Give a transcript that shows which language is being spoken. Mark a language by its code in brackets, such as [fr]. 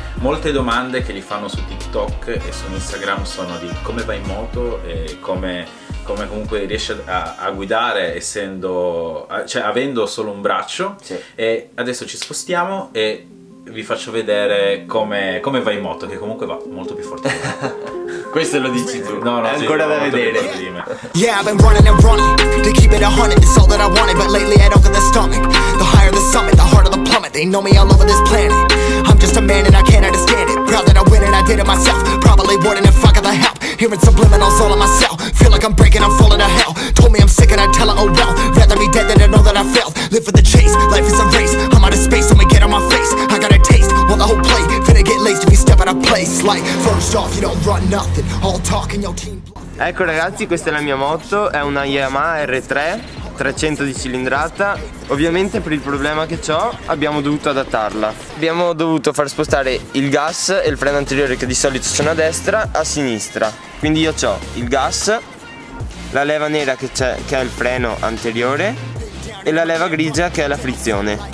[it] Molte domande che gli fanno su TikTok e su Instagram sono di come va in moto e come comunque riesce a guidare avendo solo un braccio, sì. E adesso ci spostiamo e vi faccio vedere come va in moto, che comunque va molto più forte. Questo lo dici tu. No, è ancora da vedere. [en] Yeah, I've been running and running to keep it 100, it's all that I wanted, but lately I don't got the stomach. The higher the summit, the harder the plummet. They know me all over this planet. I'm just a man and I can't understand it. Proud that I win and I did it myself. Probably wouldn't if I got the help. Hearing subliminals all in my cell. Feel like I'm breaking, I'm falling to hell. Told me I'm sick and I tell her, oh well. Rather be dead than to know that I failed. Live for the chase, life is a race. I'm out of space, let me get on my face. I got a taste, want the whole plate. Finna get laced if you step out of place. Like, first off, you don't run nothing. All talk and your team bluff. [it] Ecco ragazzi, questa è la mia moto. È una Yamaha R3 300 di cilindrata. Ovviamente per il problema che ho abbiamo dovuto adattarla. Abbiamo dovuto far spostare il gas e il freno anteriore, che di solito sono a destra, a sinistra. Quindi io ho il gas, la leva nera che è il freno anteriore, e la leva grigia che è la frizione.